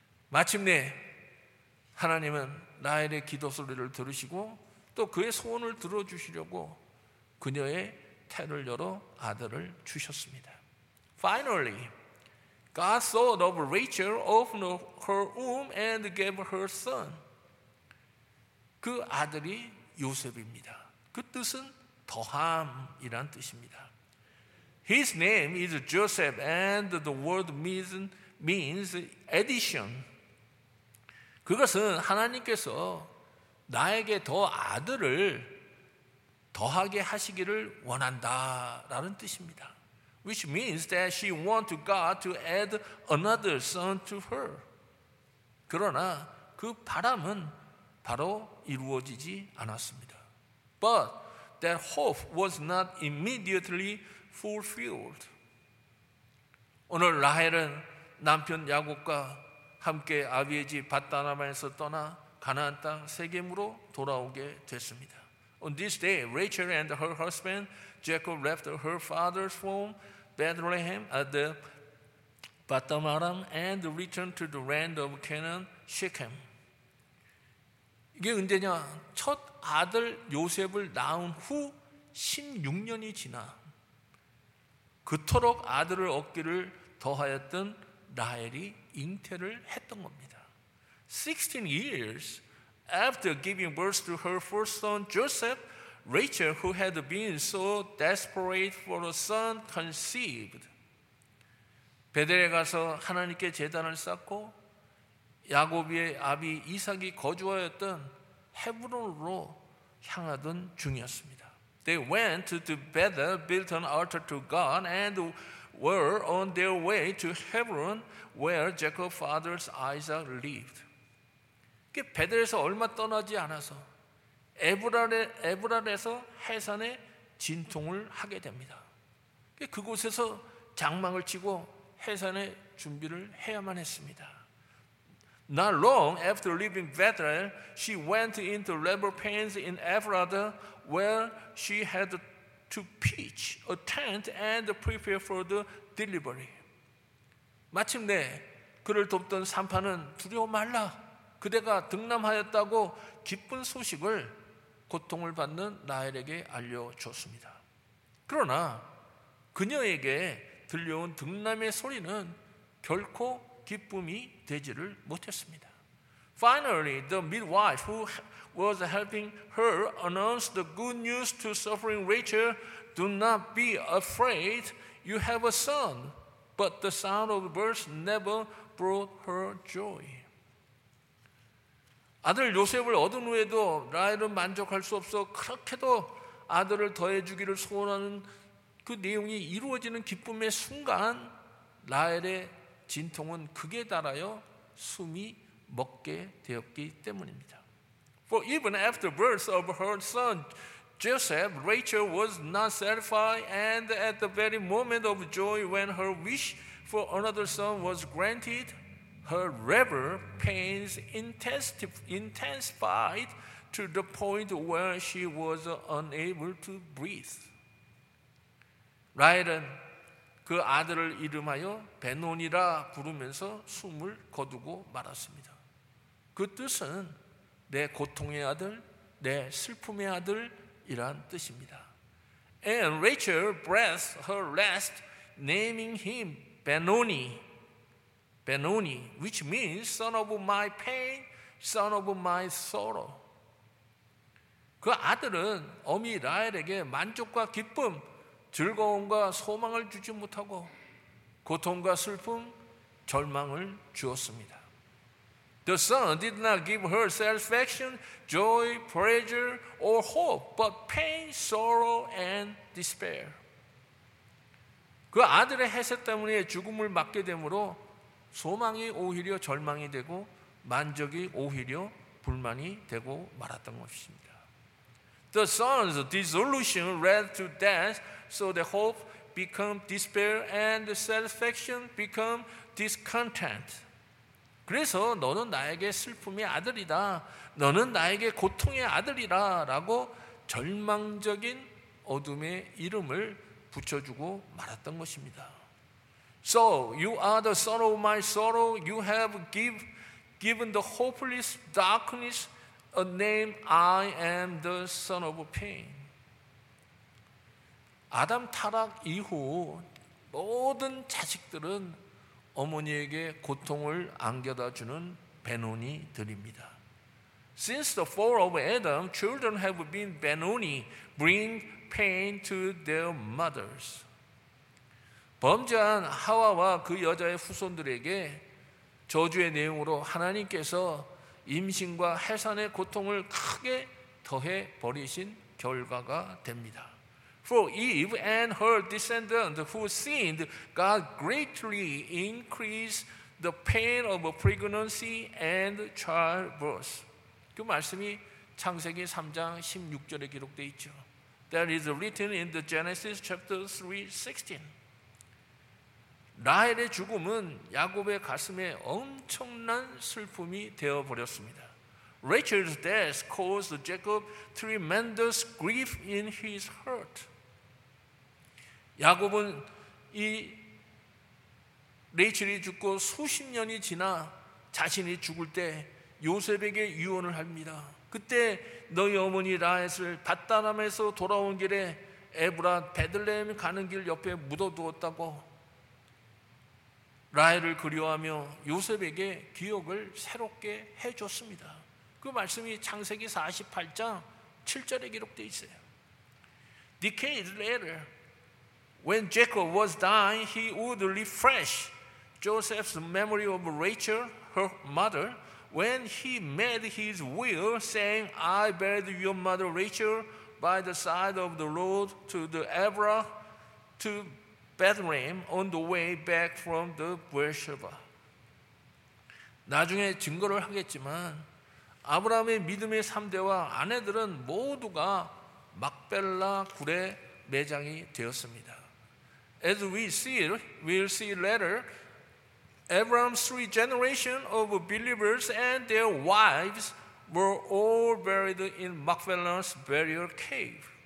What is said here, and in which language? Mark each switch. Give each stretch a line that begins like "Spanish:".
Korean: 마침내 하나님은 라헬의 기도 소리를 들으시고 또 그의 소원을 들어주시려고 그녀의 태를 열어 아들을 주셨습니다.
English: Finally, God thought of Rachel, opened her womb, and gave her son.
Korean: 그 아들이 요셉입니다. 그 뜻은 더함이란 뜻입니다.
English: His name is Joseph, and the word means addition.
Korean: 그것은 하나님께서 나에게 더 아들을 더하게 하시기를 원한다라는 뜻입니다.
English: Which means that she wanted God to add another son to her.
Korean: 그러나 그 바람은 바로 이루어지지 않았습니다.
English: But that hope was not immediately fulfilled.
Korean: 오늘 라헬은 남편 야곱과 함께 아비의 집 밧다나바에서 떠나 가나안 땅 세겜으로 돌아오게 됐습니다.
English: On this day, Rachel and her husband Jacob left her father's home, Bethlehem at the Padanaram, and returned to the land of Canaan, Shechem.
Korean: 이게 언제냐? 첫 아들 요셉을 낳은 후 16년이 지나 그토록 아들을 얻기를 더하였던 라헬이 잉태를 했던 겁니다.
English: 16 years after giving birth to her first son Joseph, Rachel, who had been so desperate for a son, conceived.
Korean: 베델에 가서 하나님께 제단을 쌓고 야곱의 아비 이삭이 거주하였던 헤브론으로 향하던 중이었습니다.
English: They went to Bethel, built an altar to God, and were on their way to Hebron, where Jacob's father Isaac lived.
Korean: 베델에서 얼마 떠나지 않아서 에브랄에서 해산에 진통을 하게 됩니다. 그곳에서 장막을 치고 해산의 준비를 해야만 했습니다.
English: Not long after leaving Bethel, she went into labor pains in Ephrathah, where she had to pitch a tent and prepare for the delivery.
Korean: 마침내 그를 돕던 산파는 두려워 말라. 그대가 등남하였다고 기쁜 소식을 고통을 받는 라헬에게 알려줬습니다. 그러나 그녀에게 들려온 등남의 소리는 결코 기쁨이 되지를 못했습니다.
English: Finally, the midwife who was helping her announced the good news to suffering Rachel, "Do not be afraid, you have a son." But the sound of birth never brought her joy.
Korean: 아들 요셉을 얻은 후에도 라헬은 만족할 수 없어 그렇게도 아들을 더해 주기를 소원하는 그 내용이 이루어지는 기쁨의 순간 라헬의 진통은 그게 달아요 숨이 먹게 되었기 때문입니다.
English: For even after birth of her son Joseph, Rachel was not satisfied, and at the very moment of joy when her wish for another son was granted, her labor pains intensified to the point where she was unable to breathe.
Korean: 라헬은 그 아들을 이름하여 베논이라 부르면서 숨을 거두고 말았습니다. 그 뜻은 내 고통의 아들, 내 슬픔의 아들이란 뜻입니다.
English: And Rachel breathed her last, naming him Benoni. Benoni, which means son of my pain, son of my sorrow.
Korean: 그 아들은 어미 라헬에게 만족과 기쁨, 즐거움과 소망을 주지 못하고 고통과 슬픔, 절망을 주었습니다.
English: The son did not give her satisfaction, joy, pleasure, or hope, but pain, sorrow, and despair.
Korean: 그 아들의 해색 때문에 죽음을 맞게 되므로 소망이 오히려 절망이 되고 만족이 오히려 불만이 되고 말았던 것입니다.
English: The son's dissolution led to death, so the hope became despair and the satisfaction became discontent.
Korean: 그래서 너는 나에게 슬픔의 아들이다. 너는 나에게 고통의 아들이라 라고 절망적인 어둠의 이름을 붙여주고 말았던 것입니다.
English: So you are the sorrow of my sorrow. You have given the hopeless darkness a name. I am the son of pain.
Korean: 아담 타락 이후 모든 자식들은 어머니에게 고통을 안겨다 주는 베노니들입니다.
English: Since the fall of Adam, children have been benoni, bring pain to their mothers.
Korean: 범죄한 하와와 그 여자의 후손들에게 저주의 내용으로 하나님께서 임신과 해산의 고통을 크게 더해 버리신 결과가 됩니다.
English: For Eve and her descendants who sinned, God greatly increased the pain of pregnancy and childbirth.
Korean: 그 말씀이 창세기 3장 16절에 기록되어 있죠.
English: That is written in the Genesis chapter 3:16.
Korean: 라헬의 죽음은 야곱의 가슴에 엄청난 슬픔이 되어버렸습니다.
English: Rachel's death caused Jacob tremendous grief in his heart.
Korean: 야곱은 이 레이첼이 죽고 수십 년이 지나 자신이 죽을 때 요셉에게 유언을 합니다. 그때 너희 어머니 라헬을 밧다람에서 돌아온 길에 에브라임 베들레헴 가는 길 옆에 묻어두었다고 라헬을 그리워하며 요셉에게 기억을 새롭게 해줬습니다. 그 말씀이 창세기 48장 7절에 기록되어 있어요.
English: Decades later, when Jacob was dying, he would refresh Joseph's memory of Rachel, her mother, when he made his will, saying, I buried your mother Rachel by the side of the road to the Ebra to Bethlehem on the way back from the Beersheba.
Korean: 나중에 증거를 하겠지만 아브라함의 믿음의 3대와 아내들은 모두가 막벨라 굴에 매장이 되었습니다.
English: As we see, we'll see later, Abraham's three generations of believers and their wives were all buried in Machpelah's burial cave.